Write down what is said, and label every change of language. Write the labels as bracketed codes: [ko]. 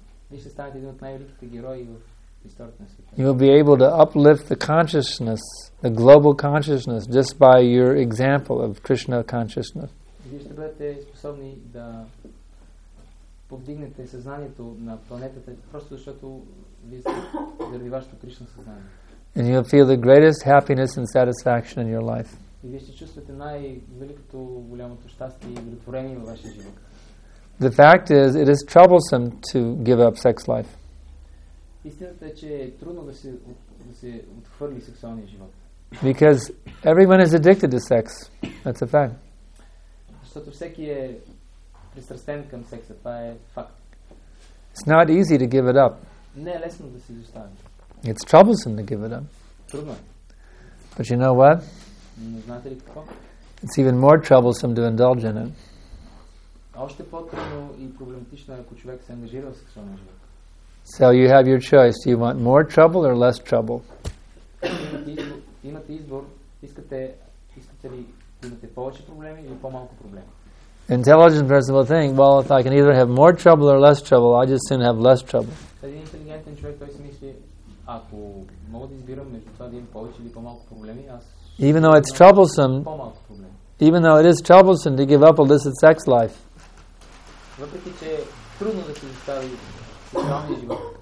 [bg] Вие ще станете един от най-великите герои в историята на света. [en] You will be able to uplift the consciousness, the global consciousness, just by your example of Krishna consciousness. [bg] Вие ще бъдете способни да повдигнете съзнанието на планетата, просто защото вие сте заради вашето Кришна съзнание. [en] And you'll feel the greatest happiness and satisfaction in your life. [bg] И вие ще чувствате най-великото, голямото щастие и удовлетворение във вашия живот. [en] The fact is, it is troublesome to give up sex life. [bg] Истината е, че е трудно да се отхвърли сексуалния живот. [en] Because everyone is addicted to sex. That's a fact. [bg] Защото всеки е пристрастен към секса. Това е факт. [en] It's not easy to give it up. [bg] Не е лесно да се изостави. [en] It's troublesome to give it up. [bg] Трудно. [en] But you know what? [bg] Не знаете ли какво? [en] It's even more troublesome to indulge in it. [bg] Още по-трудно и проблематично е, ако човек се ангажира в сексуалния живот. [en] So you have your choice. Do you want more trouble or less trouble? [bg] Имате избор. Искате ли да имате повече проблеми или по-малко проблеми? [en] Intelligent person will think, well, if I can either have more trouble or less trouble, I just soon have less trouble. [bg] Един интелигентен човек, той си мисли, ако мога да избирам между това да имам повече или по-малко проблеми, аз... [en] Even though it's troublesome, [bg] по-малко проблеми. [en] Even though it is troublesome to give up illicit sex life, [bg] въпреки че е трудно да се застави сексуалния живот,